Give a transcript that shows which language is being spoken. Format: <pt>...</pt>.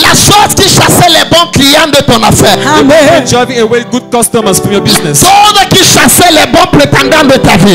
<fr>La chose qui chassait les bons clients de ton affaire.</fr> <en>Amen. The thing driving away good customers from your business.</en> <fr>La chose qui chassait les bons prétendants de ta vie.</fr>